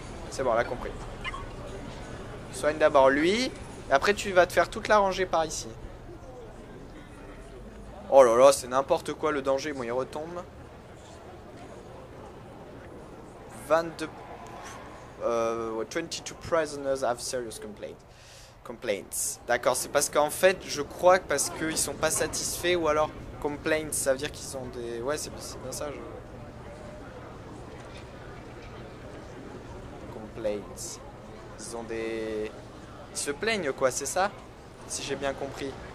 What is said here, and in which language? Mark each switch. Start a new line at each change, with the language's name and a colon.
French: C'est bon, on l'a compris. Soigne d'abord lui, et après tu vas te faire toute la rangée par ici. Oh là là, c'est n'importe quoi le danger, bon il retombe. 22.
English: 22 prisoners have serious complaints.
French: D'accord, c'est parce qu'en fait, je crois que parce qu'ils sont pas satisfaits ou alors complaints, ça veut dire qu'ils ont des. Ouais, c'est bien ça. Je... Complaints. Ils ont des. Ils se plaignent quoi, c'est ça? Si j'ai bien compris.